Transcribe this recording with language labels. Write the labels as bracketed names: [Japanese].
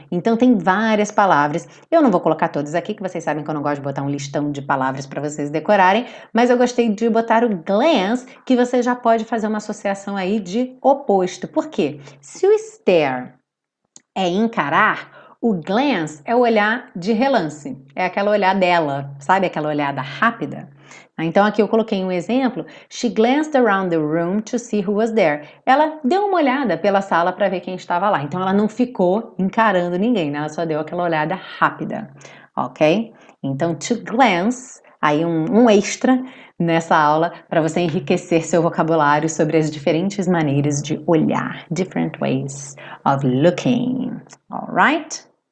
[Portuguese] Então tem várias palavras. Eu não vou colocar todas aqui, que vocês sabem que eu não gosto de botar um listão de palavras para vocês decorarem, mas eu gostei de botar o glance, que você já pode fazer uma associação aí de oposto. Por quê? Se o stare é encarar, o glance é o olhar de relance, é aquela olhar dela, sabe? Aquela olhada rápida. Então, aqui eu coloquei um exemplo. [English] She glanced around the room to see who was there. [Portuguese] Ela deu uma olhada pela sala para ver quem estava lá. Então, ela não ficou encarando ninguém, né? Ela só deu aquela olhada rápida, ok? Então, to glance aí um extra nessa aula para você enriquecer seu vocabulário sobre as diferentes maneiras de olhar, [English] different ways of looking, alright?